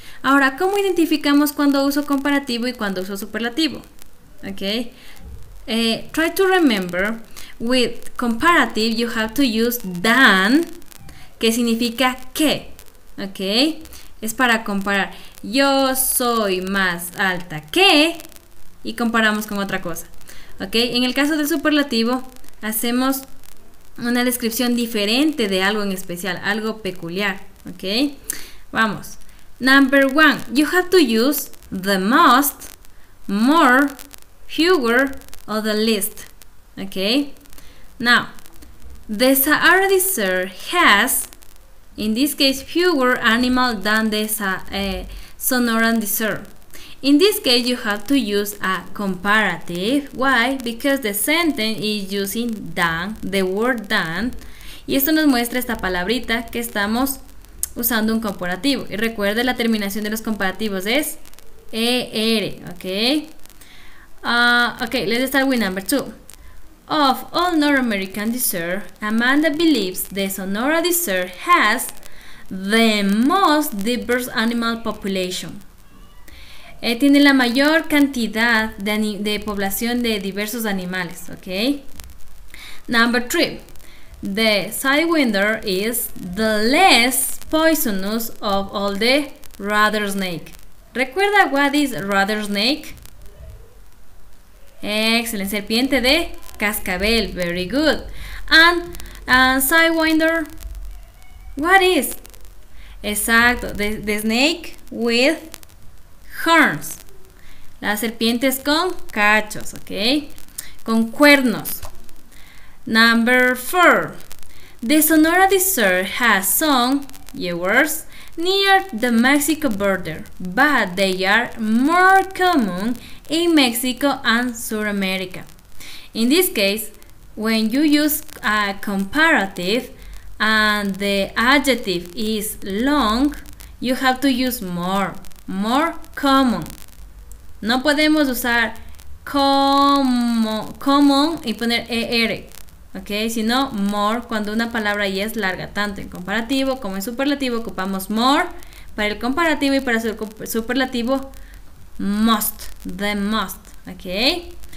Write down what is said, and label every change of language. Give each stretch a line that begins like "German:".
Spanish: Ahora, ¿cómo identificamos cuando uso comparativo y cuando uso superlativo? ¿Ok?
English: Try to remember, with comparative you have to use than,
Spanish: que significa que. Ok, es para comparar. Yo soy más alta que, y comparamos con otra cosa. Ok, en el caso del superlativo, hacemos una descripción diferente de algo en especial, algo peculiar. Ok, vamos.
English: Number one, you have to use the most, more, fewer, or the least. Ok, now, the Sahara Desert has, in this case, fewer animals than the Sonoran Desert. In this case, you have to use a comparative. Why? Because the sentence is using than, the word than.
Spanish: Y esto nos muestra esta palabrita que estamos usando un comparativo. Y recuerde, la terminación de los comparativos es er, ¿ok?
English: Ok, let's start with number two. Of all North American desert, Amanda believes the Sonora desert has the most diverse animal population.
Spanish: Tiene la mayor cantidad de población de diversos animales, ok?
English: Number three, the sidewinder is the less poisonous of all the rattlesnake. ¿Recuerda what is rattlesnake? Excellent,
Spanish: serpiente de cascabel,
English: very good. And sidewinder, what is? Exacto, the snake with horns.
Spanish: Las serpientes con cachos, ok? Con cuernos.
English: Number four. The Sonora Desert has some jaguars near the Mexico border, but they are more common in Mexico and South America. In this case, when you use a comparative and the adjective is long, you have to use more common.
Spanish: No podemos usar common y poner er, ok, sino more, cuando una palabra ya es larga, tanto en comparativo como en superlativo, ocupamos more para el comparativo y para el superlativo, most, the most, ok.